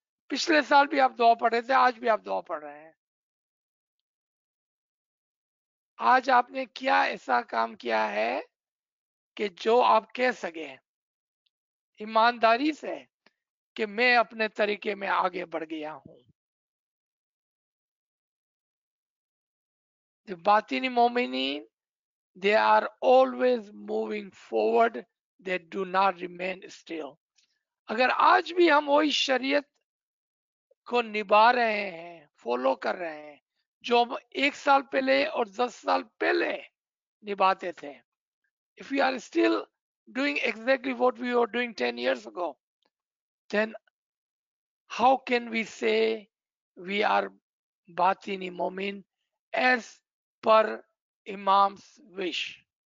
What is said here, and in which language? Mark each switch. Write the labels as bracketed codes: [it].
[hi] पिछले साल भी आप दुआ पढ़े थे, आज भी आप दुआ पढ़ रहे हैं. आज आपने क्या ऐसा काम किया है कि जो आप कह सके ईमानदारी से कि मैं अपने तरीके में आगे बढ़ गया हूं. [en] The batini mu'minin, they are always moving forward, they do not remain still. [hi] अगर आज भी हम वही शरीयत को निभा रहे हैं, फॉलो कर रहे हैं जो हम एक साल पहले और 10 साल पहले निभाते थे. [en] If we are still doing exactly what we were doing 10 years ago, then how can we say we are batini momin as per Imam's wish?